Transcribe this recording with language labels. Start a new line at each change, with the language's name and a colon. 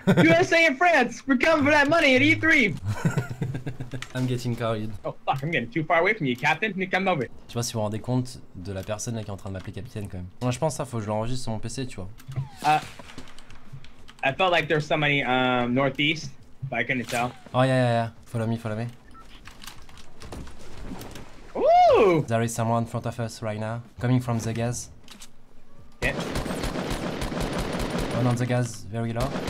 English: USA and France, we're coming for that money at E3. I'm getting carried. Oh fuck, I'm getting too far away from you, captain. Me come over.
French: Je sais pas si vous vous rendez compte de la personne là qui est en train de m'appeler capitaine quand même. Moi je pense ça, faut que je l'enregistre sur mon PC, tu vois.
English: I felt like there's somebody northeast, but I couldn't tell. Oh yeah, yeah, yeah. Follow me, follow me. Ooh! There is someone in front of us right now, coming from the gas. Hit. Oh one on the gas, very low.